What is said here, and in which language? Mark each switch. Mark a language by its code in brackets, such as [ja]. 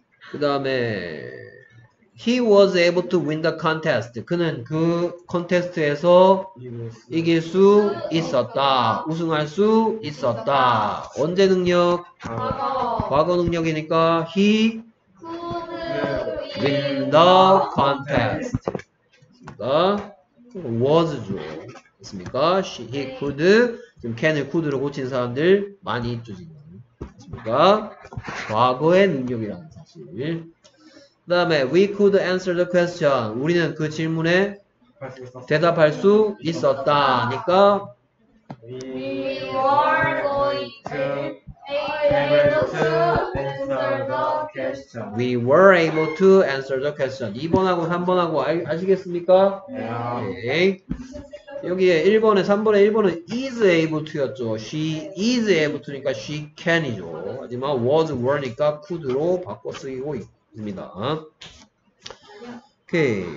[ko] 그 다음에 [en] He was able to win the contest. [ko] 그는 그 콘테스트에서 이길 수 있었다. 우승할 수 있었다. 언제 능력? 과거 능력이니까 [en] He could win the contest. Was죠. [ko] 됐습니까? [en] He could. [ko] 지금 can을 could로 고친 사람들 많이 있죠. 됐습니까? 과거의 능력이라는 사실. 그 다음에 [en] we could answer the question. [ko] 우리는 그 질문에 대답할 수 있었다. 그러니까 [en] we were going to able to answer the question. We were able to answer the question. [ko] 2번하고 3번하고 아시겠습니까? 네. 여기에 1번에 3번에 1번은 is able to였죠. [en] She is able to [ko] 니까 she can이죠. 하지만 was were니까 could로 바꿔 쓰이고 있고 입니다. 오케이.